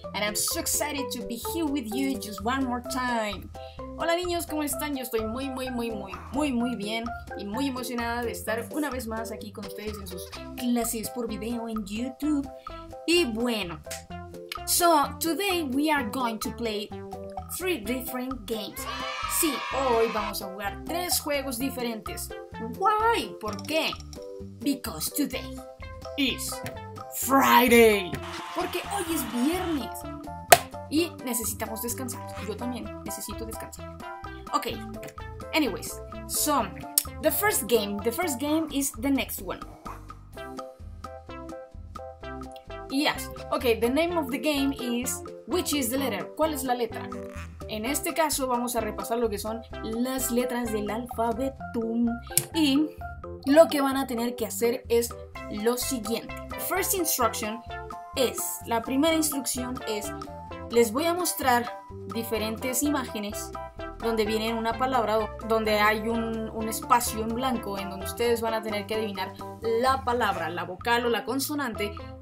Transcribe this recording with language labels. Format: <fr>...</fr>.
<en>And I'm so excited to be here with you just one more time.</en> <es>Hola niños, ¿cómo están? Yo estoy muy, muy, muy, muy, muy, muy bien y muy emocionada de estar una vez más aquí con ustedes en sus clases por video en YouTube. Y bueno,</es> <en>so today we are going to play 3 different games.</en> <es>Sí, hoy vamos a jugar 3 juegos diferentes.</es> <en>Why?</en> <es>¿Por qué?</es> <en>Because today is Friday.</en> <es>Porque hoy es viernes y necesitamos descansar. Yo también necesito descansar. Okay.</es> <en>Anyways, so the first game is the next one. Yes. Okay, the name of the game is which is the letter?</en> <es>¿Cuál es la letra? En este caso vamos a repasar lo que son las letras del alfabeto y lo que van a tener que hacer es lo siguiente.</es> <en>First instruction</en> <es>es, la primera instrucción es, les voy a mostrar diferentes imágenes donde viene una palabra, donde hay un espacio en blanco en donde ustedes van a tener que adivinar la palabra, la vocal o la consonante.</es>